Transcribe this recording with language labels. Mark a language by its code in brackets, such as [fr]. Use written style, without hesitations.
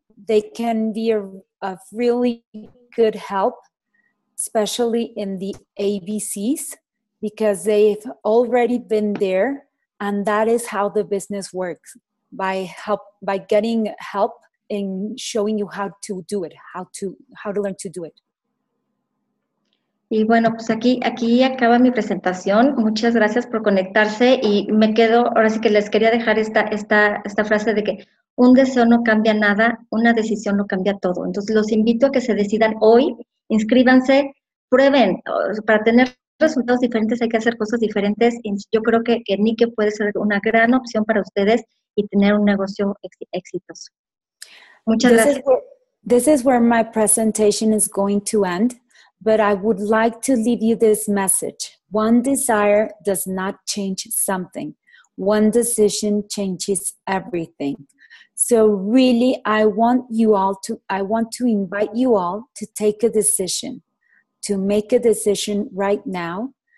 [en] They can be a really good help, especially in the ABCs, because they've already been there, and that is how the business works, by getting help in showing you how to do it, how to learn to do it. [es] Y bueno, pues aquí acaba mi presentación. Muchas gracias por conectarse y me quedo, ahora sí que les quería dejar esta frase de que un deseo no cambia nada, una decisión lo cambia todo. Entonces los invito a que se decidan hoy, inscríbanse, prueben. Para tener resultados diferentes hay que hacer cosas diferentes. Y yo creo que Nike puede ser una gran opción para ustedes y tener un negocio exitoso. Muchas gracias. [en] This is where my presentation is going to end. But I would like to leave you this message. One desire does not change something. One decision changes everything. So really, I want to invite you all to take a decision, to make a decision right now.